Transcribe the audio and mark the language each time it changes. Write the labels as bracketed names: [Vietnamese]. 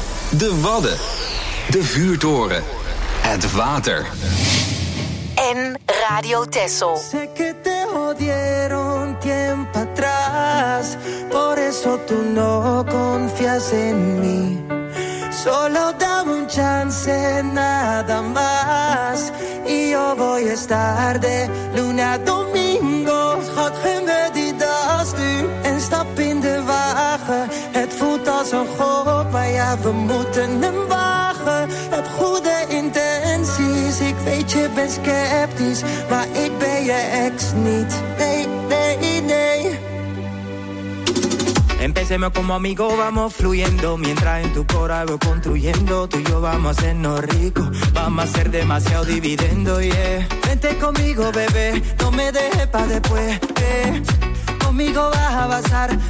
[Dutch] De Wadden, de Vuurtoren, het water. En Radio Texel. [Spanish] Sé que te jodieron tiempo atrás. Por eso tú no confías en mí. Solo dame un chance, nada más. Y yo voy a estar de lunes a domingo. [Dutch] Schat, geen weddie, das du. En stap in de wagen. Het voelt als een gok, maar ja, we moeten hem wagen. Heb goede intenties. Ik weet, je bent sceptisch, maar ik ben je ex niet. Nee, nee, nee. [Spanish] Empecemos como amigo, vamos fluyendo. Mientras en tu cora voy construyendo. Tú y yo vamos a hacernos ricos. Vamos a hacer demasiado dividendo, yeah. Vente conmigo, bebé. No me dejes pa' después, Conmigo vas a avanzar.